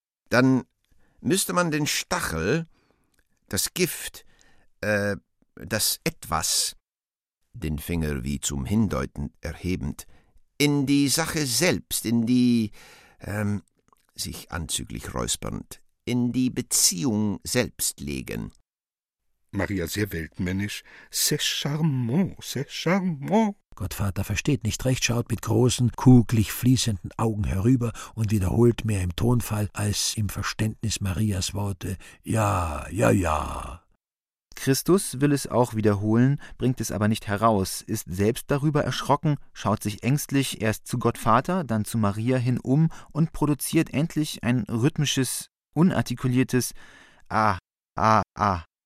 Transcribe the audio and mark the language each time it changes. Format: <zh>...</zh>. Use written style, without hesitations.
<de>»Dann müsste man den Stachel, das Gift, das Etwas«, den Finger wie zum Hindeuten erhebend, »in die Sache selbst, in die, sich anzüglich räuspernd, in die Beziehung selbst legen.« »Maria, sehr weltmännisch.</de> <fr>C'est charmant, c'est charmant.«</fr> <de>Gottvater versteht nicht recht, schaut mit großen, kugelig fließenden Augen herüber und wiederholt mehr im Tonfall als im Verständnis Marias Worte. »Ja, ja, ja.« Christus will es auch wiederholen, bringt es aber nicht heraus, ist selbst darüber erschrocken, schaut sich ängstlich erst zu Gottvater, dann zu Maria hin um und produziert endlich ein rhythmisches, unartikuliertes »Ah, ah, ah«.</de>